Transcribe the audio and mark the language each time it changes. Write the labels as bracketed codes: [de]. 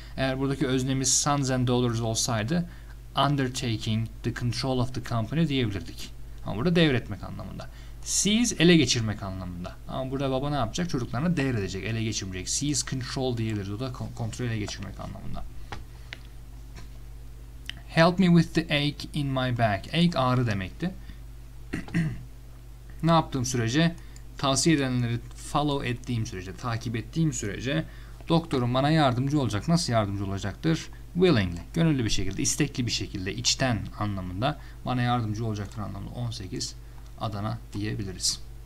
[tr] Eğer buradaki öznemiz [en] sons and daughters [tr] olsaydı [en] undertaking the control of the company [tr] diyebilirdik. Ama burada devretmek anlamında. Seize ele geçirmek anlamında. Ama burada baba ne yapacak? Çocuklarını devredecek, ele geçirmeyecek. [en] Seize control [tr] diyebiliriz. O da kontrol ele geçirmek anlamında. [en] Help me with the ache in my back. [tr] Ache ağrı demekti. Ne yaptığım sürece, tavsiye edenleri follow ettiğim sürece, takip ettiğim sürece doktorum bana yardımcı olacak. Nasıl yardımcı olacaktır? Willingly, gönüllü bir şekilde, istekli bir şekilde, içten anlamında bana yardımcı olacaktır anlamında 18 Adana diyebiliriz.